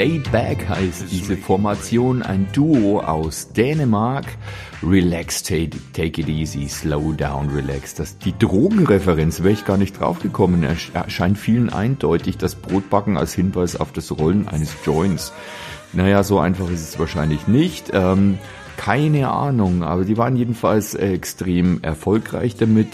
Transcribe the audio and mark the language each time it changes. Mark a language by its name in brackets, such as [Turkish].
[German] Back heißt diese Formation, ein Duo aus Dänemark. [English] Relax, take it easy, slow down, relax. [German] Das, die Drogenreferenz wäre ich gar nicht drauf gekommen. Erscheint vielen eindeutig, das Brotbacken als Hinweis auf das Rollen eines Joints. Naja, so einfach ist es wahrscheinlich nicht. Keine Ahnung, aber die waren jedenfalls extrem erfolgreich damit.